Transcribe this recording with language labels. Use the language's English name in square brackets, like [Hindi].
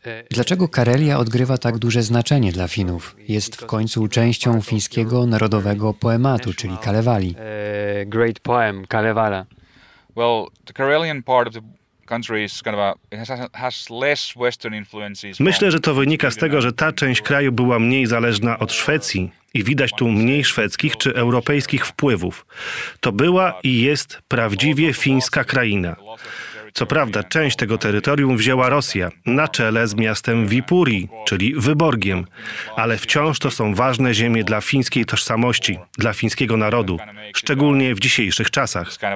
[Polish] Dlaczego Karelia odgrywa tak duże znaczenie dla Finów? Jest w końcu częścią fińskiego narodowego poematu, czyli Kalevali. [English] Great poem, Kalevala. Well, the Karelian part of the country is kind of a, it has less Western influences. [Polish] Myślę, że to wynika z tego, że ta część kraju była mniej zależna od Szwecji i widać tu mniej szwedzkich czy europejskich wpływów. To była i jest prawdziwie fińska kraina. Co prawda, część tego terytorium wzięła Rosja, na czele z miastem Wipuri, czyli Wyborgiem, ale wciąż to są ważne ziemie dla fińskiej tożsamości, dla fińskiego narodu, szczególnie w dzisiejszych czasach.